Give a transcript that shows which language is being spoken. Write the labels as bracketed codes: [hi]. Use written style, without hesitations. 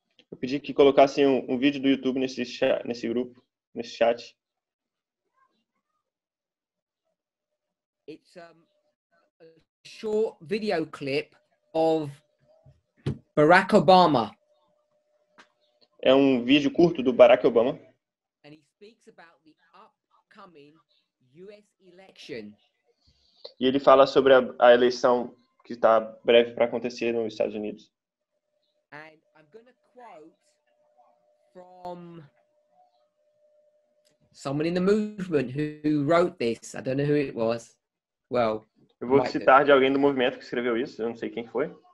[pt] Eu pedi que colocassem um vídeo do YouTube nesse grupo, nesse chat. [en] It's a short video clip of Barack Obama. [pt] É um vídeo curto do Barack Obama. [en] And he speaks about the upcoming US election. [pt] E ele fala sobre a eleição que está breve para acontecer nos Estados Unidos. [en] And I'm going to quote from someone in the movement who wrote this. I don't know who it was. Well, [pt] eu vou citar de alguém do movimento que escreveu isso, eu não sei quem foi.